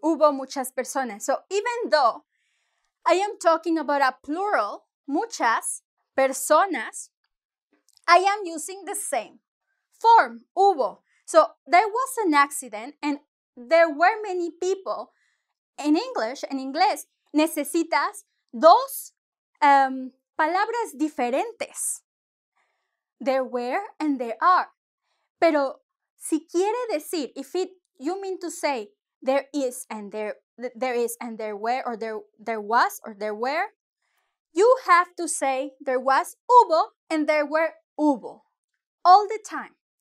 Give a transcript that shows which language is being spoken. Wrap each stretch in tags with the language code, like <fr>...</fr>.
<es>Hubo muchas personas.</es> <en>So even though I am talking about a plural, muchas personas, I am using the same form, hubo. So there was an accident and there were many people. In English,</en> <es>en inglés, necesitas dos palabras diferentes.</es> <en>There were and there are.</en> <es>Pero si quiere decir,</es> <en>you mean to say there is and there is and there were or there was or there were, you have to say there was hubo and there were hubo all the time.</en>